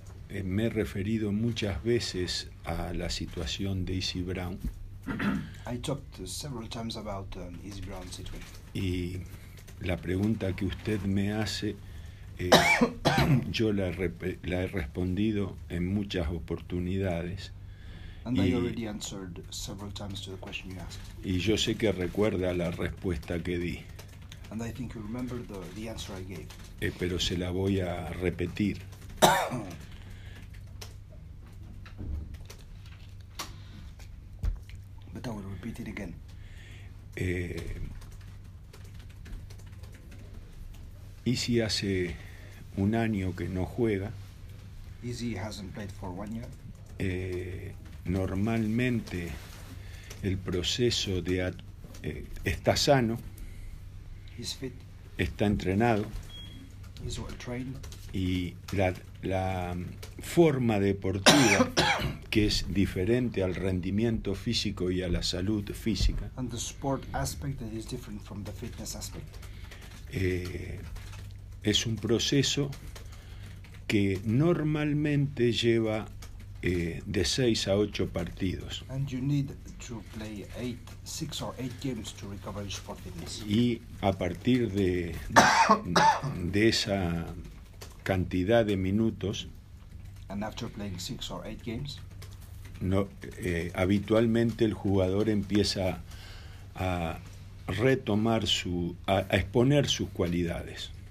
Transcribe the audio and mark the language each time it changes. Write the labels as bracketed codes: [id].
[es] Yo me he referido muchas veces a la situación de Izzy Brown. [en] I talked several times about Izzy Brown's situation. [es] Y la pregunta que usted me hace, yo la he respondido en muchas oportunidades. [en] And I already answered several times to the question you asked. [es] Y yo sé que recuerda la respuesta que di. [en] And I think you remember the answer I gave. [es] Pero se la voy a repetir. [en] But I will repeat it again. [es] Izzy hace un año que no juega. [en] Izzy hasn't played for 1 year. [es] Normalmente el proceso de está sano. [en] He's fit. [es] Está entrenado. [en] He's well trained. [es] Y la forma deportiva que es diferente al rendimiento físico y a la salud física. [en] And the sport aspect that is different from the fitness aspect. [es] Es un proceso que normalmente lleva de 6 a 8 partidos. [en] And you need to play 6 or 8 games to recover his 40 days. [es] Y a partir de esa cantidad de minutos, [en] and after playing 6 or 8 games, [es] no, habitualmente el jugador empieza a retomar su a exponer sus cualidades.